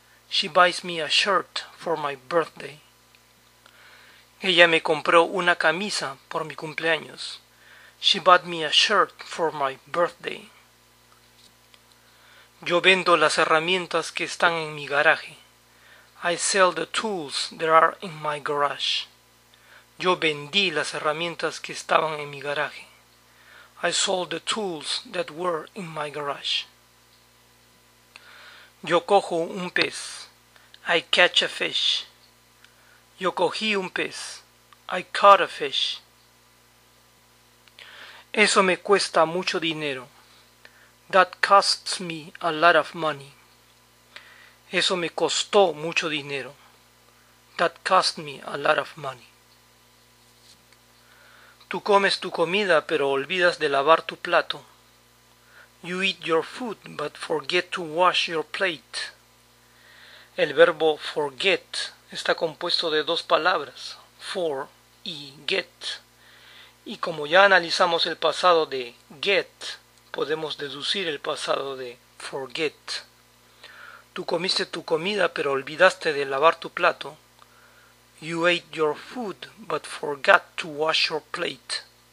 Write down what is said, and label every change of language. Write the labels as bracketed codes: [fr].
[en] She buys me a shirt for my birthday. [es] Ella me compró una camisa por mi cumpleaños. [en] She bought me a shirt for my birthday. [es] Yo vendo las herramientas que están en mi garaje. [en] I sell the tools that are in my garage. [es] Yo vendí las herramientas que estaban en mi garaje. [en] I sold the tools that were in my garage. [es] Yo cojo un pez. [en] I catch a fish. [es] Yo cogí un pez. [en] I caught a fish. [es] Eso me cuesta mucho dinero. [en] That costs me a lot of money. [es] Eso me costó mucho dinero. [en] That cost me a lot of money. [es] Tú comes tu comida, pero olvidas de lavar tu plato. [en] You eat your food, but forget to wash your plate. [es] El verbo forget está compuesto de dos palabras, for y get. Y como ya analizamos el pasado de get, podemos deducir el pasado de forget. Tú comiste tu comida, pero olvidaste de lavar tu plato. [en] You ate your food, but forgot to wash your plate.